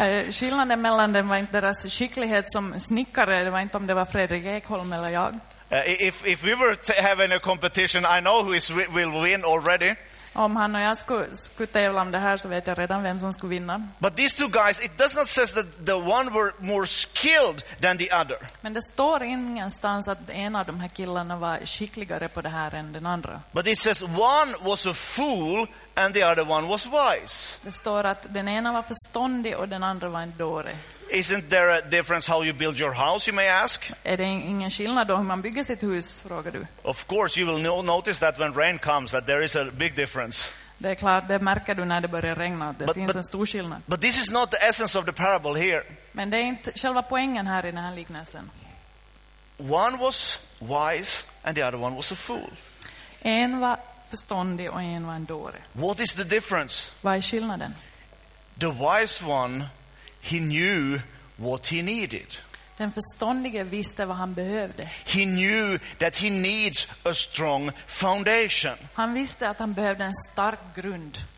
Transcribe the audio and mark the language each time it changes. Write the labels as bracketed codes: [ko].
[sv] Skillnaden mellan dem var inte deras skicklighet som snickare. Det var inte om det var Fredrik Ekholm eller jag. [en] If we were having a competition, I know who will win already. [sv] Om han och jag skulle tävla om det här så vet jag redan vem som skulle vinna. [en] But these two guys, it does not say that the one were more skilled than the other. [sv] Men det står ingenstans att en av de här killarna var skickligare på det här än den andra. [en] But it says one was a fool and the other one was wise. [sv] Det står att den ena var förståndig och den andra var en dåre. [en] Isn't there a difference how you build your house, you may ask? [sv] Är det ingen skillnad då hur man bygger sitt hus, frågar du? [en] Of course, you will notice that when rain comes, that there is a big difference. [sv] Det är klart, det märker du när det börjar regna. Det finns en stor skillnad. [en] But this is not the essence of the parable here. [sv] Men det är inte själva poängen här i den här liknelsen. [en] One was wise and the other one was a fool. [sv] En var förståndig och en var en dåre. [en] What is the difference? [sv] Vad är skillnaden? [en] The wise one, he knew what he needed. [sv] Den förståndige visste vad han behövde. [en] He knew that he needs a strong foundation. [sv] Han visste att han behövde en stark grund.